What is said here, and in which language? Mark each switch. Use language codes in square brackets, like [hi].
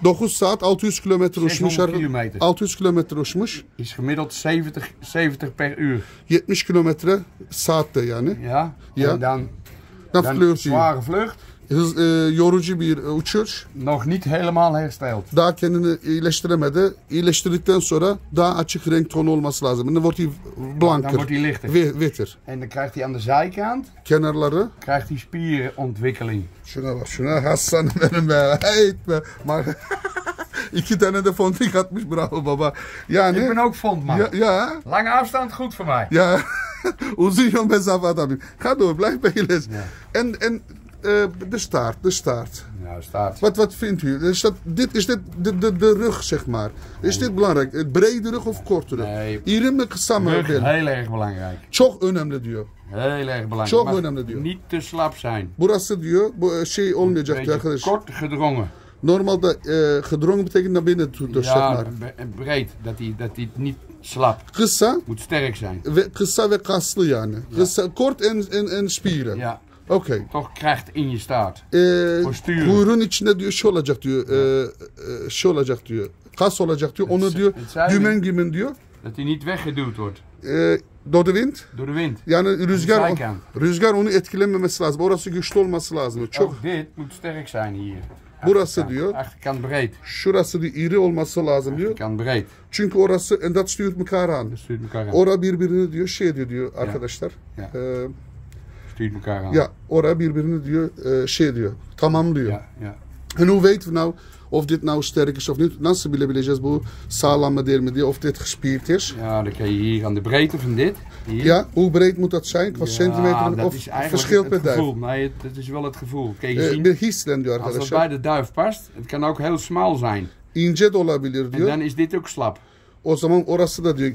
[tr] 9 saat 600 kilometer uçmuş. 600 kilometer uçmuş. [nl] Is gemiddeld 70 per uur. [tr] 70 kilometer saatte yani. [nl] Ja. Ja. En dan... Dan vleurt hij. Zware vlucht. [tr] Yorucu bir uçuş. [nl] Nog niet helemaal hersteld. [tr] Daha kendini iyileştiremedi. İyileştirdikten sonra daha açık renk tonu olması lazım. [nl] Dan wordt hij blanker. Dan wordt hij lichter. Witter. En dan krijgt hij aan de zijkant. [tr] Kenarları. [nl] Krijgt hij spierontwikkeling. [tr] Şuna bak, şuna Hassan benim be. Heet be. Maar... İki tane de fondik atmış, bravo baba. Yani... [nl] Ik ben ook fond, man. Ja. Lange afstand goed voor mij. Ja. [tr] Uzun yol mesafe adamım. [nl] Ga door, blijf bij je les. En de staart. Ja, staart. Wat vindt u? Is dat, dit is dit de rug, zeg maar. Is dit belangrijk? Brede rug of korte rug? Nee. [tr] İrim mi, kısa mı? [nl] Rug, heel erg belangrijk. [tr] Çok önemli diyor. [nl] Heel erg belangrijk. [tr] Çok önemli diyor. [nl] Niet te slap zijn. [tr] Burası diyor, bu şey olmayacak diyor arkadaş. [nl] Kort gedrongen. Normaal dat gedrongen betekent naar binnen toe, dus ja, zeg maar. Breed, dat hij niet slap. [tr] Kısa. [nl] Moet sterk zijn. [tr] Kısa ve kaslı yani. Ja. Kısa, [nl] kort en spieren. Ja. Oké. Okay. Toch kracht in je staart. Postuur. [tr] Kuyruğun içinde diyor, şey olacak diyor. Şey olacak diyor. Kas olacak diyor. Onu diyor, dümen gibi diyor. [nl] Dat hij niet weggeduwd wordt. Door de wind. Door de wind. [tr] Yani rüzgar, rüzgar onu etkilememesi lazım. Orası güçlü olması lazım. [nl] Dus çok. Dit moet sterk zijn hier. [tr] Burası achterkant, diyor. [nl] Achterkant breed. [tr] Şurası diyor, iri olması lazım [nl] achterkant [tr] diyor. [nl] Achterkant breed. [tr] Çünkü orası, [nl] en dat stuurt mekaar aan. Stuurt mekaar aan. [tr] Ora birbirini diyor, şey diyor, diyor ja. Arkadaşlar. [nl] Ja. Stuurt mekaar aan. [tr] Ja, ora birbirini diyor, şey diyor, tamamlıyor. [nl] Ja, ja. En hoe weten we nou, of dit nou sterk is of niet? [tr] Nasıl bilebileceğiz bu sağlam mı değil mi diye, [nl] of dit gespierd is? Ja, dan kan je hier aan de breedte van dit. Hier. Ja, hoe breed moet dat zijn? Qua ja, centimeter dat of is eigenlijk verschil het per duif? Gevoel. Nee, het is wel het gevoel. Kijk, je ziet, [tr] diyor, [nl] als dat bij de duif past, het kan ook heel smal zijn. [tr] İnce de olabilir diyor. [nl] En dan is dit ook slap. [tr] O zaman orası da diyor.